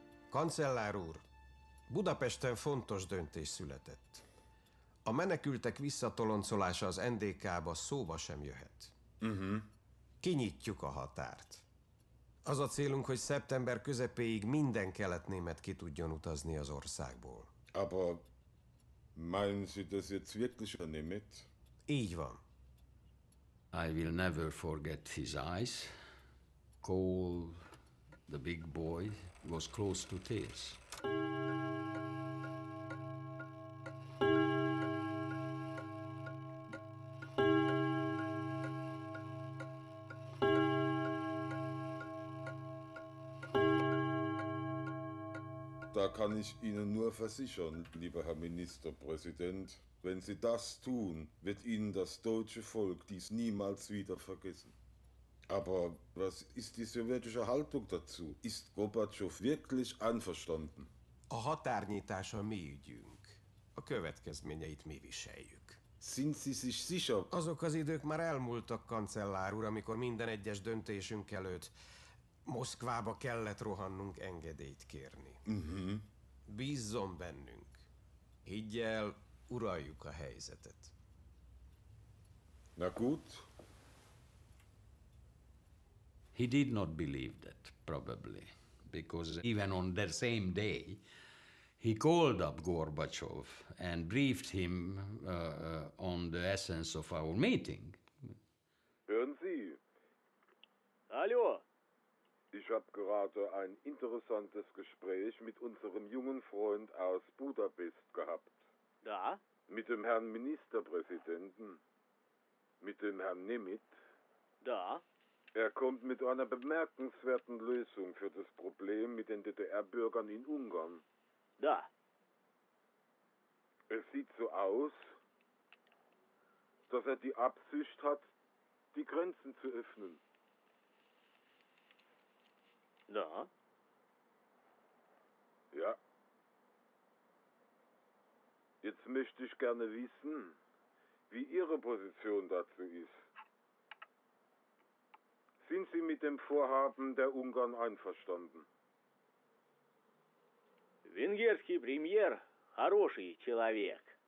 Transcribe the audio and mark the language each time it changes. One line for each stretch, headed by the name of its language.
Hungarian: Kancellár úr, Budapesten fontos döntés született. A menekültek visszatoloncolása az NDK-ba szóba sem jöhet. Uh-huh. Kinyitjuk a határt. Az a célunk, hogy szeptember közepéig minden kelet-német ki tudjon utazni az országból.
German: Aber meinen Sie das jetzt wirklich a Nemeth?
Hungarian: Így van.
English: I will never forget his eyes. Kohl, the big boy, was close to tears.
German: Da kann ich Ihnen nur versichern, lieber Herr Ministerpräsident, wenn Sie das tun, wird Ihnen das deutsche Volk dies niemals wieder vergessen. Aber was ist die sowjetische Haltung dazu? Ist Gorbatschow wirklich einverstanden?
Hungarian: A határnyitás a mi ügyünk. A következményeit mi viseljük.
German: Sind Sie sich sicher?
Hungarian: Azok az idők már elmúltak, kancellár úr, amikor minden egyes döntésünk előtt Moszkvába kellett rohannunk engedélyt kérni. Uh-huh. Bízzon bennünk. Higgyel, uraljuk a helyzetet.
German: Na gut.
English: He did not believe that, probably, because even on that same day he called up Gorbachev and briefed him on the essence of our meeting.
German: Hören Sie. Hallo. Ich habe gerade ein interessantes Gespräch mit unserem jungen Freund aus Budapest gehabt. Ja? Mit dem Herrn Ministerpräsidenten. Mit dem Herrn Nemeth. Ja? Er kommt mit einer bemerkenswerten Lösung für das Problem mit den DDR-Bürgern in Ungarn. Ja. Es sieht so aus, dass er die Absicht hat, die Grenzen zu öffnen. Ja. Ja. Jetzt möchte ich gerne wissen, wie Ihre Position dazu ist. Sind Sie mit dem Vorhaben der Ungarn einverstanden?
Russian: Венгерский премьер – хороший человек.